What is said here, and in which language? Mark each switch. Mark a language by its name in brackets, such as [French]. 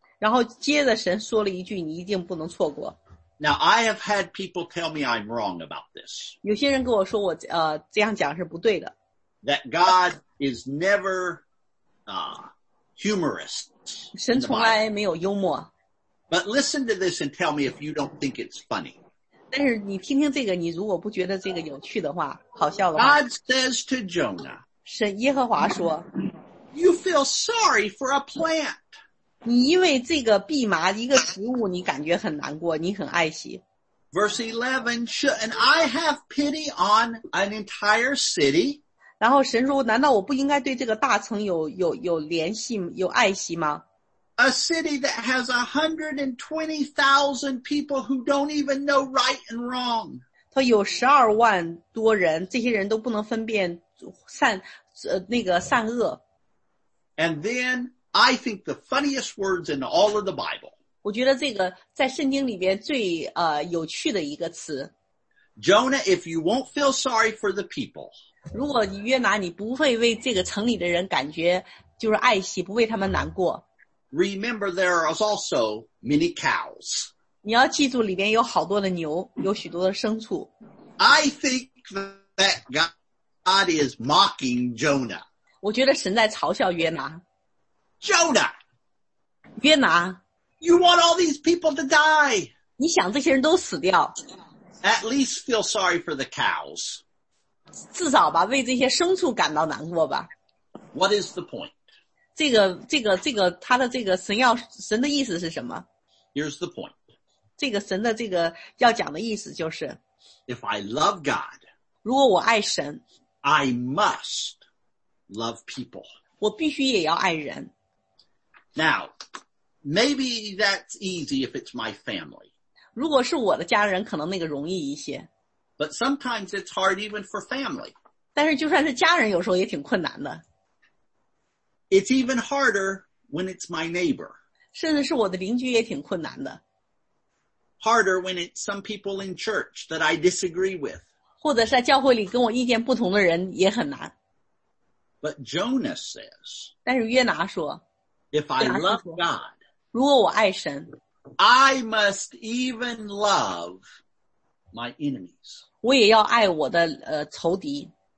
[Chinese] 然后接着神说了一句你一定不能错过。 [English] Now I have had people tell me I'm wrong about this. [Chinese] 有些人跟我说我这样讲是不对的。 [English] That God is never humorous. [Chinese] 神从来没有幽默。 [English] But listen to this and tell me if you don't think it's funny. [Chinese] 但是你听听这个你如果不觉得这个有趣的话好笑的话。 [English] God says to Jonah. [Chinese] 神耶和华说 [English] You feel sorry for a plant. [Chinese] 你因为这个蓖麻一个植物你感觉很难过你很爱惜。 [English] Verse 11, shouldn't I have pity on an entire city? [Chinese] 然后神说难道我不应该对这个大城有联系有爱惜吗 [English] ?A city that has 120,000 people who don't even know right and wrong. [Chinese] 他有12万多人这些人都不能分辨善恶。 [English] And then, I think the funniest words in all of the Bible. [Chinese] 我觉得这个在圣经里边最有趣的一个词。 [English] Jonah, if you won't feel sorry for the people. [Chinese] 如果约拿你不会为这个城里的人感觉就是爱惜不为他们难过。 [English] Remember there are also many cows. [Chinese] 你要记住里边有好多的牛有许多的牲畜。 [English] I think that God is mocking Jonah. [Chinese] 我觉得神在嘲笑约拿。 [English] Jonah! [Chinese] 约拿 [English] ,You want all these people to die! [Chinese] 你想这些人都死掉。 [English] At least feel sorry for the cows. [Chinese] 至少吧为这些牲畜感到难过吧。 [English] What is the point? [Chinese] 这个他的这个神的意思是什么 [English] ?Here's the point. [Chinese] 这个神的这个要讲的意思就是 [English] ,If I love God, [Chinese] 如果我爱神 [English] ,I must,Love people. [Chinese] 我必须也要爱人。 [English] Now, maybe that's easy if it's my family. [Chinese] 如果是我的家人可能那个容易一些。 [English] But sometimes it's hard even for family. [Chinese] 但是就算是家人有时候也挺困难的。 [English] It's even harder when it's my neighbor. [Chinese] 甚至是我的邻居也挺困难的。 [English] harder when it's some people in church that I disagree with. [Chinese] 或者是在教会里跟我意见不同的人也很难。 [English] But Jonas says, [Chinese] 但是约拿说, [English] if I love God, [Chinese] 如果我爱神, [English] I must even love my enemies. [Chinese] 我也要爱我的仇敌。